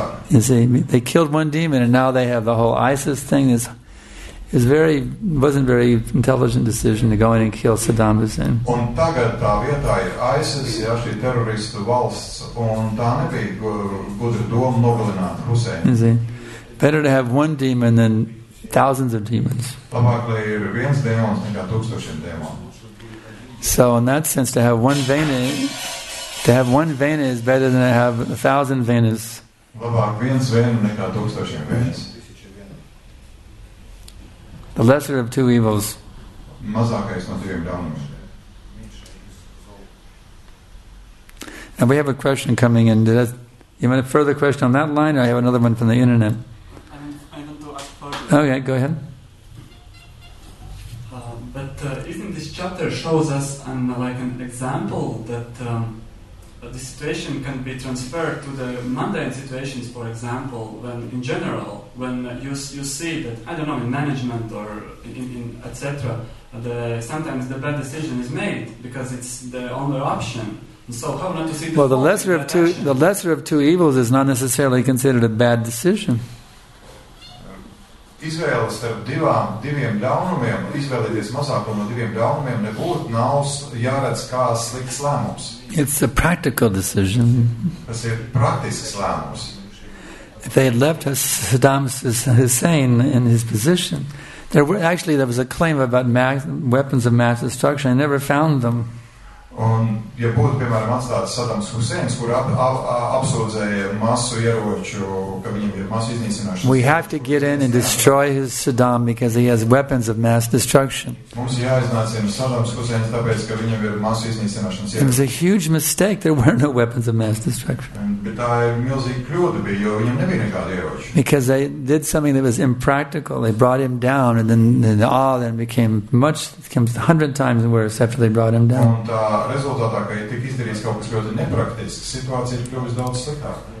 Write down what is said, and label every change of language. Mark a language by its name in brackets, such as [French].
[English] You see, they killed one demon and now they have the whole ISIS thing. It wasn't a very intelligent decision to go in and kill Saddam Hussein. [Latvian] Un tagad tā vietā ir ISIS, ja šī teroristu valsts, un tā nebija gudra doma nogalināt Hussein. [English] You see, better to have one demon than thousands of demons. [Latvian] Labāk, lai ir viens demons nekā tūkstošiem demonu. [English] So in that sense, to have one vena is better than to have 1,000 venas. [Latvian] Labāk viens vena nekā tūkstošiem venas. [English] The lesser of two evils. [Latvian] Mazākais no diviem ļaunumiem. [English] And we have a question coming in. You want a further question on that line, or I have another one from the internet? I want to ask further. Okay, go ahead. Isn't this chapter shows us an example that the situation can be transferred to the mundane situations, for example, when in general, when you see that, I don't know, in management or in etc., sometimes the bad decision is made because it's the only option. And so how not to see the The lesser of two evils is not necessarily considered a bad decision. [Latvian] Izvēle starp diviem ļaunumiem, izvēlēties mazāko no diviem ļaunumiem, nebūtu nav jāredz kā slikts lēmums. [English] It's a practical decision. [Latvian] Tas ir praktisks lēmums. [English] If they had left Saddam Hussein in his position, there was a claim about weapons of mass destruction. I never found them. [Latvian] Un, ja būtu, piemēram, atstāts Sadams Huseins, kur apsūdzēja masu ieroču, ka viņam ir masu iznīcināšanas... [English] We have to get in and destroy his Saddam because he has weapons of mass destruction. [Latvian] Mums jāiznācina Sadams Huseins, tāpēc, ka viņam ir masu iznīcināšanas ieroču. [English] It was a huge mistake. There were no weapons of mass destruction. [Latvian] Bet tā ir milzīga kļūda bija, jo viņam nebija nekāda ieroča. [English] Because they did something that was impractical. They brought him down and then all then became much, becomes 100 times worse after they brought him down. [Latvian] Rezultātā, ka ir tik izdarīts kaut kas ļoti nepraktisks, situācija ir kļuvis daudz sliktāka.